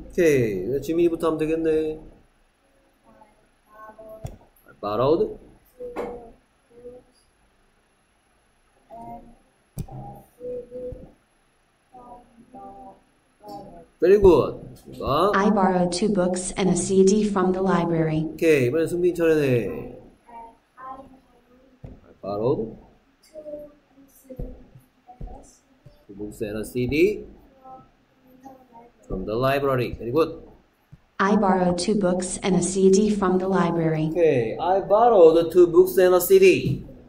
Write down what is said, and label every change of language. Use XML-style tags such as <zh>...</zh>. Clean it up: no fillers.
<ko>오케이. 지민이부터 하면 되겠네.</ko> <en>I borrowed. Very good.</en> <ko>좋아.</ko> <en>I borrowed two books and a CD from the library.</en> <ko>오케이, 이번엔 승빈 차례네.</ko> <en>I borrowed two books and a CD from the library. Very good. I borrowed two books and a CD from the library. Okay, I borrowed two books and a CD.</en>